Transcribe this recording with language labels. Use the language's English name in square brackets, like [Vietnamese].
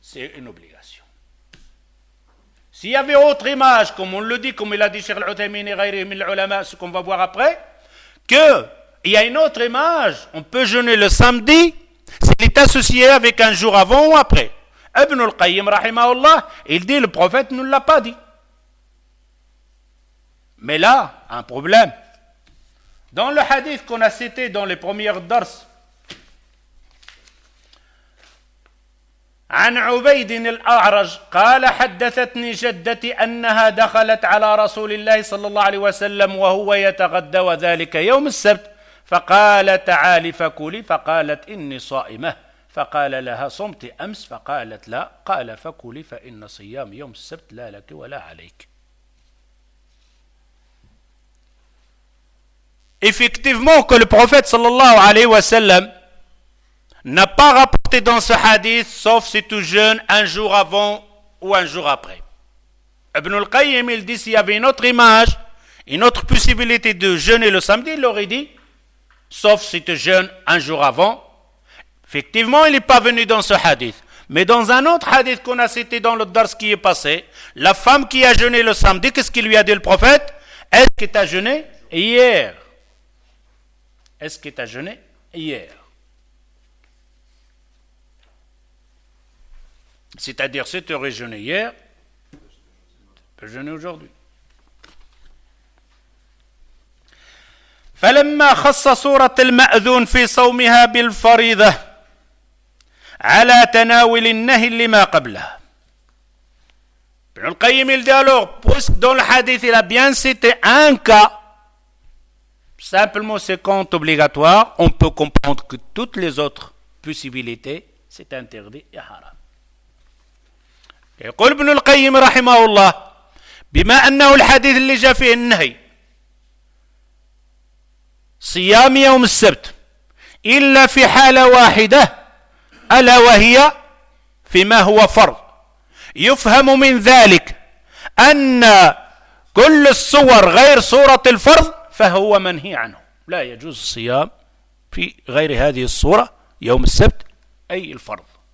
[French] C'est une obligation. S'il y avait autre image, comme on le dit, comme il a dit, ce qu'on va voir après, qu'il y a une autre image, on peut jeûner le samedi, s'il est associé avec un jour avant ou après. Ibn al-Qayyim, rahimahullah, il dit, le prophète ne l'a pas dit. Mais là, un problème. Dans le hadith qu'on a cité dans les premières dars, [Arabic] عن عبيد الأعرج قال حدثتني جدتي أنها دخلت على رسول الله صلى الله عليه وسلم وهو يتغدى وذلك يوم السبت فقال تعالي فكلي فقالت إني صائمة فقال لها صمت أمس فقالت لا قال فكلي فإن صيام يوم السبت لا لك ولا عليك. [French] Effectivement que le prophète sallallahu alayhi wa sallam n'a pas rapporté dans ce hadith sauf si tu jeûnes un jour avant ou un jour après. Ibn al-Qayyim, il dit s'il y avait une autre image, une autre possibilité de jeûner le samedi, il l'aurait dit, sauf si tu jeûnes un jour avant. Effectivement, il n'est pas venu dans ce hadith. Mais dans un autre hadith qu'on a cité dans le dars qui est passé, la femme qui a jeûné le samedi, qu'est-ce qu'il lui a dit le prophète ? Est-ce que tu as jeûné hier ? Est-ce que tu as jeûné hier ? C'est-à-dire, si tu aurais jeûné hier, tu peux jeûner aujourd'hui. [Arabic] فلما خص سورة المأذون في صومها بالفريضة على تناول النهي لما قبلها. [French] Ibn al-Qayyim il dit alors, dans le hadith, il a bien cité un cas, simplement c'est compte obligatoire, on peut comprendre que toutes les autres possibilités, c'est interdit et haram. [Arabic] يقول ابن القيم رحمه الله بما أنه الحديث اللي جاء فيه النهي صيام يوم السبت إلا في حالة واحدة ألا وهي فيما هو فرض يفهم من ذلك أن كل الصور غير صورة الفرض فهو منهي عنه لا يجوز الصيام في غير هذه الصورة يوم السبت أي الفرض.